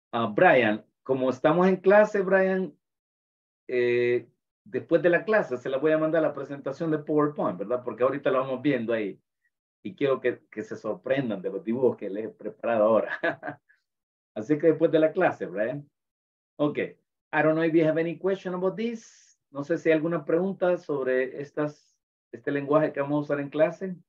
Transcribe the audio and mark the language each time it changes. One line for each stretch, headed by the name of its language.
Spanish: Brian, como estamos en clase, Brian, después de la clase se la voy a mandar la presentación de PowerPoint, ¿verdad? Porque ahorita lo vamos viendo ahí. Y quiero que se sorprendan de los dibujos que les he preparado ahora. Así que después de la clase, Brian.
English: Ok. I don't know if you have any question about this.
Spanish: No sé si hay alguna pregunta sobre este lenguaje que vamos a usar en clase.